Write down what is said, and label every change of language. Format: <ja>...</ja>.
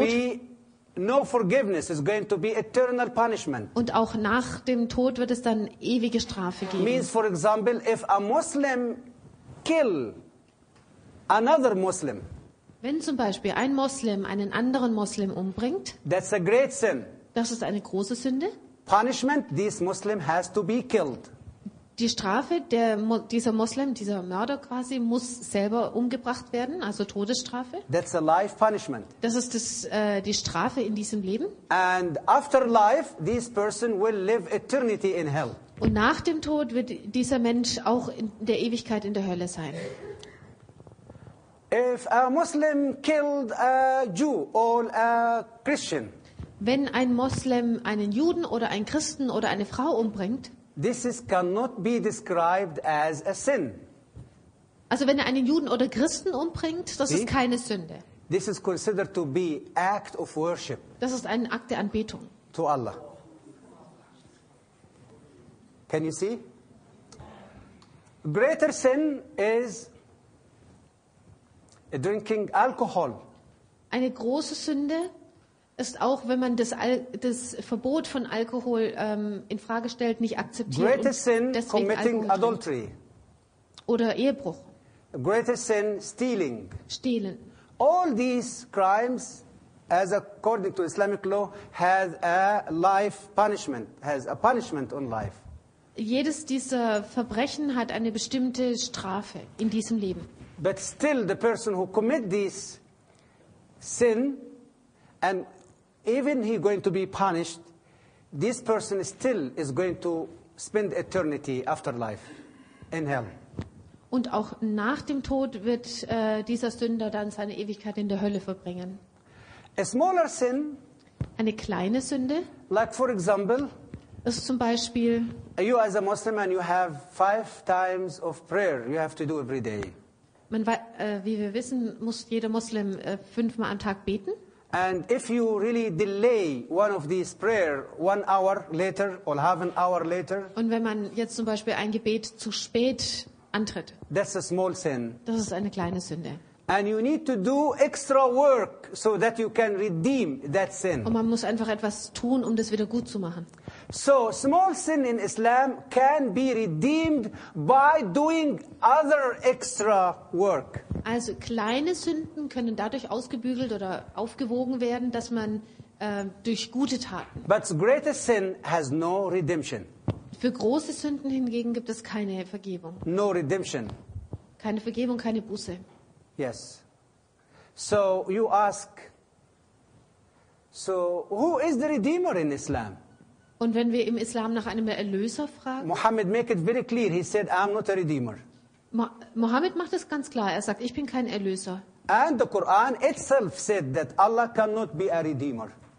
<en>be no forgiveness, it's going to be eternal punishment.</en> <de>Und auch nach dem Tod wird es dann ewige Strafe geben.</de> <en>Means for example, if a Muslim kill another Muslim.</en> <de>Wenn zum Beispiel ein Muslim einen anderen Muslim umbringt,</de> <en>that's a great sin.</en> <de>Das ist eine große Sünde.</de> <en>Punishment, this Muslim has to be killed.</en> <de>Die Strafe, dieser Muslim, dieser Mörder quasi, muss selber umgebracht werden, also Todesstrafe.</de> <en>That's a life punishment.</en> <de>Das ist die Strafe in diesem Leben.</de> <en>And after life, this person will live eternity in hell.</en> <de>Und nach dem Tod wird dieser Mensch auch in der Ewigkeit in der Hölle sein.</de> <en>If a Muslim killed a Jew or a Christian,</en> <de>wenn ein Muslim einen Juden oder einen Christen oder eine Frau umbringt,</de> <en>this is cannot be described as a sin.</en> <de>Also wenn er einen Juden oder Christen umbringt, das ist keine Sünde.</de> <en>This is considered to be act of worship.</en> <de>Das ist ein Akt der Anbetung.</de> <en>To Allah. Can you see? Greater sin is drinking alcohol.</en> <de>Eine große Sünde ist auch, wenn man das Verbot von Alkohol in Frage stellt, nicht akzeptiert.</de> <en>Greater sin, committing adultery.</en> <de>Oder Ehebruch.</de> <en>Greater sin, stealing.</en> <de>Stehlen.</de> <en>All these crimes, as according to Islamic law, has a life punishment, has a punishment on life.</en> <de>Jedes dieser Verbrechen hat eine bestimmte Strafe in diesem Leben.</de> <en>But still, the person who commit this sin, and even he going to be punished, this person still is going to spend eternity after life in hell.</en> <de>Und auch nach dem Tod wird dieser Sünder dann seine Ewigkeit in der Hölle verbringen.</de> <en>A smaller sin,</en> <de>eine kleine Sünde,</de> <en>like for example,</en> <de>ist zum Beispiel,</de> <en>you as a Muslim and you have 5 times of prayer you have to do every day.</en> <de>Man weiß, wie wir wissen, muss jeder Muslim 5 Mal am Tag beten.</de> <en>And if you really delay one of these prayer 1 hour later or half an hour later,</en> <de>und wenn man jetzt zum Beispiel ein Gebet zu spät antritt,</de> <en>that's a small sin.</en> <de>Das ist eine kleine Sünde.</de> <en>And you need to do extra work so that you can redeem that sin.</en> <de>Und man muss einfach etwas tun, um das wieder gut zu machen.</de> <en>So small sin in Islam can be redeemed by doing other extra work.</en> <de>Also kleine Sünden können dadurch ausgebügelt oder aufgewogen werden, dass man durch gute Taten.</de> <en>But greater sin has no redemption.</en> <de>Für große Sünden hingegen gibt es keine Vergebung.</de> <en>No redemption.</en> <de>Keine Vergebung, keine Buße.</de> <en>Yes. So you ask, so who is the redeemer in Islam?</en> <de>Und wenn wir im Islam nach einem Erlöser fragen,</de> <en>Muhammad make it very clear. He said, I'm not a redeemer.</en> <de>Muhammad macht es ganz klar. Er sagt, ich bin kein Erlöser.</de> <en>And the Quran itself said that Allah cannot be a redeemer.</en>